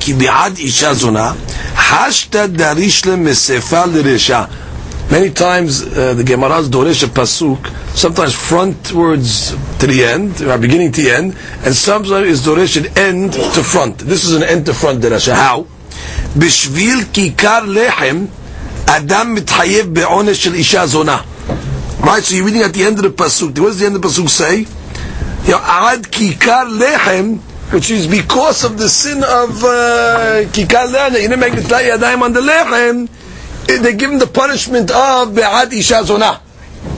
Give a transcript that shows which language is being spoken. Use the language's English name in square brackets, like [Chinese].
[Hebrew] Ki bi'ad isha zona hashta darish le mesefa l'resha. [English] Many times the Gemara's Doresha pasuk, sometimes frontwards to the end, or beginning to the end, and sometimes is Doresha end to front. This is an end to front dirasha. How? [Hebrew] בשביל כיכר לחם אדם מתחייב בעונש של אישה זונה. [English] Right, so you're reading at the end of the pasuk. What does the end of the pasuk say? [Hebrew] עד כיכר לחם, [English] which is because of the sin of כיכר לחם, you didn't make the ידיים on the לחם, they give him the punishment of [Hebrew] בעד אישה זונה.